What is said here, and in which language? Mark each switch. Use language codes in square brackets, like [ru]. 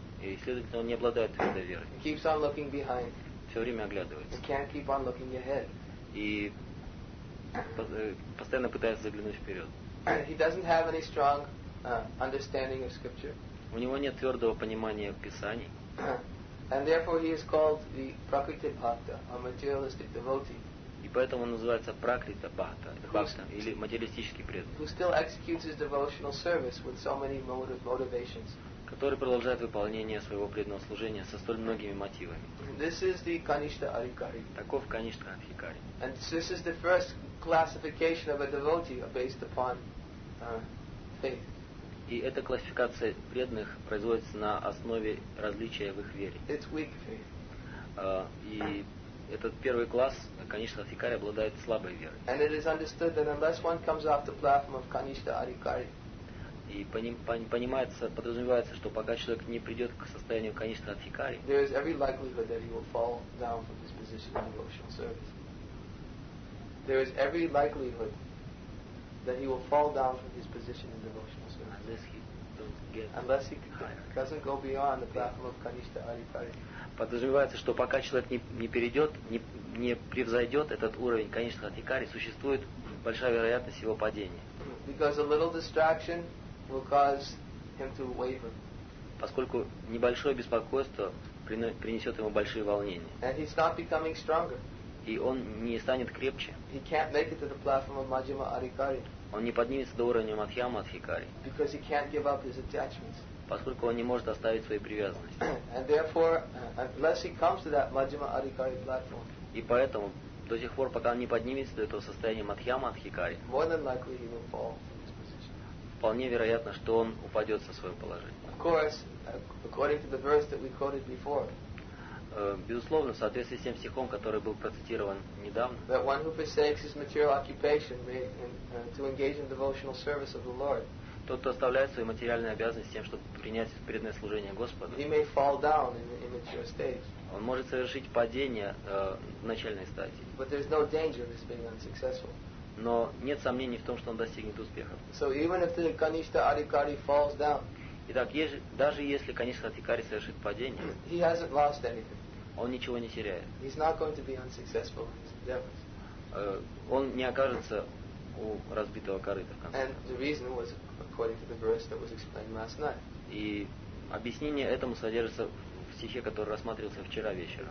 [ru] И, следовательно, он не обладает твердой верой. [en] Keeps on looking behind. [ru] Все время оглядывается. [en] And can't keep on looking ahead. [ru] И постоянно пытается заглянуть вперед. [en] He doesn't have any strong understanding of scripture. [ru] У него нет твердого понимания писаний. [en] And therefore he is called the Prakriti-bhakta, a materialistic devotee. [ru] И поэтому он называется Пракрита Бхакта, Бхакта, или материалистический преданный. [en] Who still executes his devotional service with so many motivations. [ru] Который продолжает выполнение своего преданного служения со столь многими мотивами. [en] This is the Kanishtha Adhikari. [ru] Таков Kanishtha Adhikari. [en] And this is the first classification of a devotee based upon faith. [ru] И эта классификация преданных производится на основе различия в их вере. [en] It's weak faith. [ru] Этот первый класс, Kanishtha Adhikari, обладает слабой верой. [en] And it is understood that unless one comes off the platform of Kanishtha Adhikari. [ru] И понимается, подразумевается, что пока человек не придет к состоянию Kanishtha Adhikari. [en] There is every likelihood that he will fall down from his position in devotional service. There is every likelihood that he will fall down from his position in devotional service. Unless he doesn't go beyond the platform of Kanishtha Adhikari. [ru] Подразумевается, что пока человек не перейдет, не превзойдет этот уровень Kanishtha Adhikari, существует большая вероятность его падения. [en] Because a little distraction will cause him to waver. [ru] Поскольку небольшое беспокойство принесет ему большие волнения. [en] And he's not becoming stronger. [ru] И он не станет крепче. [en] He can't make it to the platform of Madhyama Adhikari. [ru] Он не поднимется до уровня Мадхьяма Адхикари. [en] Because he can't give up his attachments. [ru] Поскольку он не может оставить свои привязанности. [en] And therefore, unless he comes to that Madhyama Adhikari platform. [ru] И поэтому, до тех пор, пока он не поднимется до этого состояния Мадхьяма Адхикари, [en] more than likely he will fall from this position. [ru] Вполне вероятно, что он упадет со своего положения. [en] Of course, according to the verse that we quoted before. [ru] Безусловно, в соответствии с тем стихом, который был процитирован недавно. [en] That one who forsakes his material occupation may, to engage in devotional service of the Lord. [ru] Тот, кто оставляет свои материальные обязанности тем, чтобы принять преданное служение Господу, [en] he may fall down in the immature stage. [ru] Он может совершить падение в начальной стадии. [en] But there's no danger of his being unsuccessful. [ru] Но нет сомнений в том, что он достигнет успеха. [en] So even if the Kanishtha Adhikari falls down, [ru] итак, даже если Kanishtha Adhikari совершит падение, [en] he hasn't lost anything. [ru] Он ничего не теряет. [en] He's not going to be unsuccessful in his endeavors. [ru] Он не окажется у разбитого корыта в конце. [en] And the reason was according to the verse that was explained last night. [ru] И объяснение этому содержится в стихе, который рассматривался вчера вечером.